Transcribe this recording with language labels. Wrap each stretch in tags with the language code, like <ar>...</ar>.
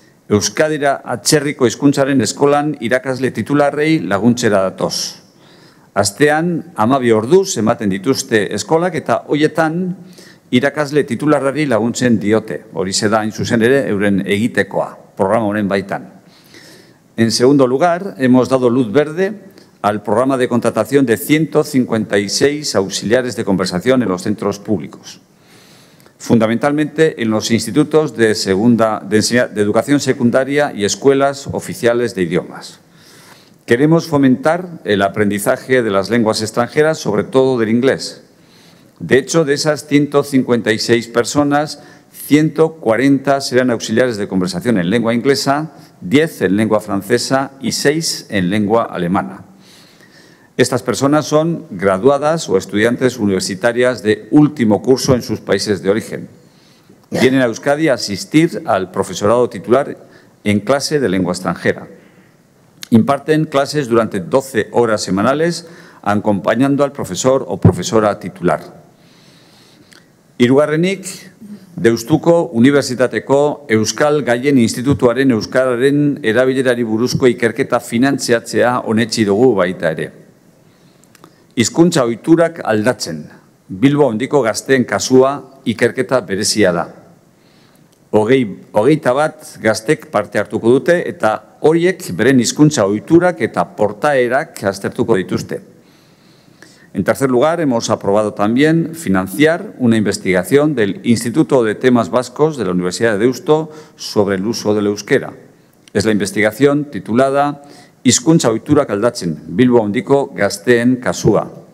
<eu>Euskadira atzerriko hizkuntzaren eskolan irakasle titularrei laguntzera datoz. Astean 12 orduz ematen dituzte eskolak eta hoietan irakasle titularrari laguntzen diote. Hori se da, hain zuzen ere, euren egitekoa, programa honen baitan.</eu> <es>En segundo lugar, hemos dado luz verde al programa de contratación de 156 auxiliares de conversación en los centros públicos. Fundamentalmente en los institutos de educación secundaria y escuelas oficiales de idiomas. Queremos fomentar el aprendizaje de las lenguas extranjeras, sobre todo del inglés. De hecho, de esas 156 personas, 140 serán auxiliares de conversación en lengua inglesa, 10 en lengua francesa y 6 en lengua alemana. Estas personas son graduadas o estudiantes universitarias de último curso en sus países de origen. Vienen a Euskadi a asistir al profesorado titular en clase de lengua extranjera. Imparten clases durante 12 horas semanales acompañando al profesor o profesora titular.</es> <eu>Hirugarrenik, Deustuko Unibertsitateko Euskal Gaien Institutuaren Euskararen erabilerari buruzko ikerketa finantziatzea onetsi dugu baita ere. Hizkuntza ohiturak aldatzen, Bilbo Hondiko gazteen kasua ikerketa berezia da. Hogeita bat gaztek parte hartuko dute eta horiek beren hizkuntza ohiturak eta portaerak aztertuko dituzte.</eu> <es>En tercer lugar, hemos aprobado también financiar una investigación del Instituto de Temas Vascos de la Universidad de Deusto sobre el uso del euskera. Es la investigación titulada Hizkuntza ohiturak aldatzen, Bilbo Hondiko gazteen kasua.</es>